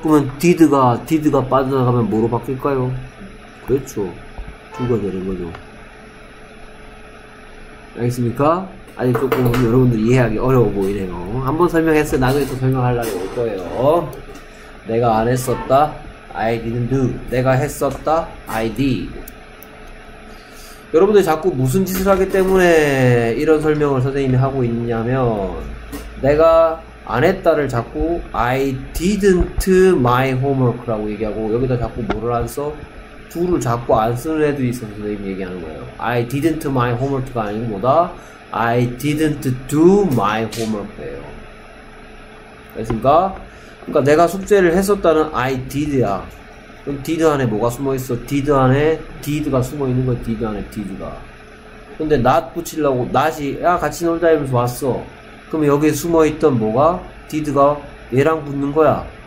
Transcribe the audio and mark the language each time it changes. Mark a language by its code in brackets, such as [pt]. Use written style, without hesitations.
[ko] 그러면 did가 빠져나가면 뭐로 바뀔까요? 그렇죠. 두가 되는 거죠. 알겠습니까? 아직 조금 여러분들이 이해하기 어려워 보이네요. 한번 설명했어요. 나중에 또 설명하려고 올 거예요. 내가 안 했었다. [en] I didn't do. [ko] 내가 했었다. [en] I did. [ko] 여러분들 자꾸 무슨 짓을 하기 때문에 이런 설명을 선생님이 하고 있냐면 내가 안 했다를 자꾸 [en] I didn't my homework [ko] 라고 얘기하고 여기다 자꾸 뭐를 안 써? 둘을 자꾸 안 쓰는 애들이 있어서 선생님이 얘기하는 거예요. [en] I didn't my homework가 [ko] 아닌 거다. [en] I didn't do my homework예요. [ko] 알겠습니까? 그러니까 내가 숙제를 했었다는 I did야. 그럼 did 안에 뭐가 숨어 있어? did 안에 did가 숨어 있는 거야. did 안에 did가. 근데 not 붙이려고 not이 야 같이 놀다 이러면서 왔어. 그럼 여기에 숨어 있던 뭐가 did가 얘랑 붙는 거야.